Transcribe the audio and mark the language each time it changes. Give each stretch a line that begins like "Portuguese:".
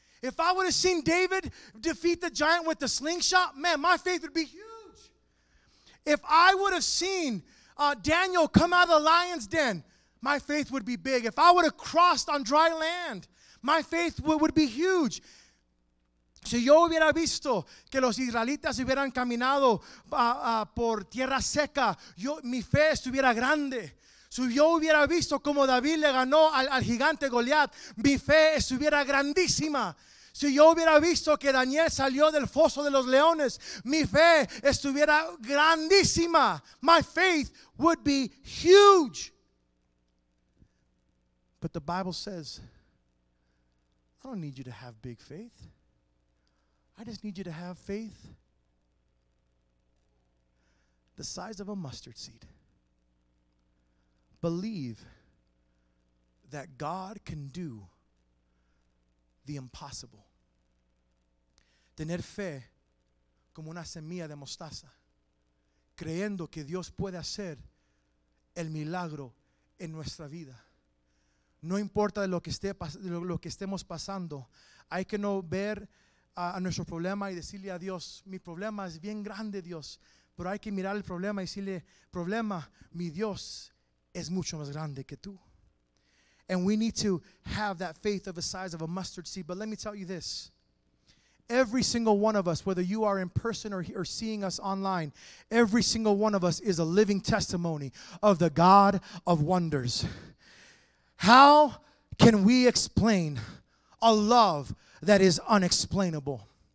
English: If I would have seen David defeat the giant with the slingshot, man, my faith would be huge. If I would have seen Daniel come out of the lion's den, my faith would be big. If I would have crossed on dry land, my faith would be huge.
Spanish: Si yo hubiera visto que los israelitas hubieran caminado por tierra seca, mi fe estuviera grande. Si yo hubiera visto como David le ganó al gigante Goliat, mi fe estuviera grandísima. Si yo hubiera visto que Daniel salió del foso de los leones, mi fe estuviera grandísima.
English: My faith would be huge. But the Bible says, I don't need you to have big faith. I just need you to have faith the size of a mustard seed. Believe that God can do the impossible.
Spanish: Tener fe como una semilla de mostaza, creyendo que Dios puede hacer el milagro en nuestra vida. No importa lo que estemos pasando, hay que no ver a nuestro problema y decirle a Dios, mi problema es bien grande, Dios, pero hay que mirar el problema y decirle, problema, mi Dios es mucho más grande que tú.
English: And we need to have that faith of the size of a mustard seed. But let me tell you this. Every single one of us, whether you are in person or seeing us online, every single one of us is a living testimony of the God of wonders. How can we explain a love that is unexplainable?